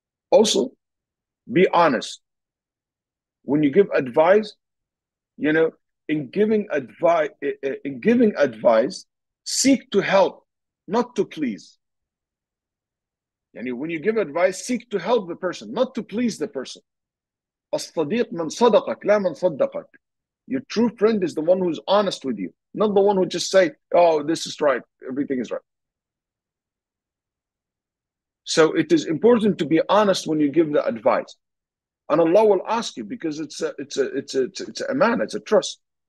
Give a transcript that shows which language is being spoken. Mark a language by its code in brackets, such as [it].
[en] Also, be honest. When you give advice, you know, in giving advice, seek to help, not to please. يعني when you give advice, seek to help the person, not to please the person. [ar] الصديق من صدقك لا من صدقك. [en] Your true friend is the one who's honest with you, not the one who just say, oh, this is right, everything is right. So it is important to be honest when you give the advice. And Allah will ask you because it's a trust.